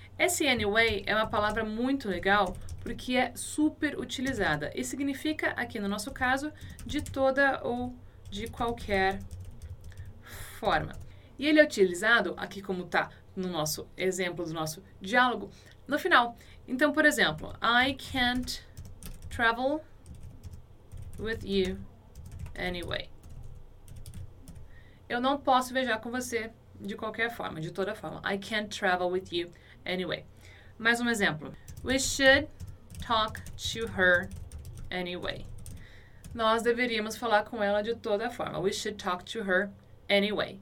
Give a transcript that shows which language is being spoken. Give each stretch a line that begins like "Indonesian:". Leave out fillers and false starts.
Portuguese: Esse anyway é uma palavra muito legal porque é super utilizada e significa, aqui no nosso caso, de toda ou de qualquer forma. E ele é utilizado, aqui como está no nosso exemplo, do nosso diálogo, no final. Então, por exemplo,
English: I can't travel with you anyway.
Portuguese: Eu não posso viajar com você de qualquer forma, de toda forma.
English: I can't travel with you anyway.
Portuguese: Mais um exemplo.
English: We should talk to her anyway.
Portuguese: Nós deveríamos falar com ela de toda forma.
English: We should talk to her anyway.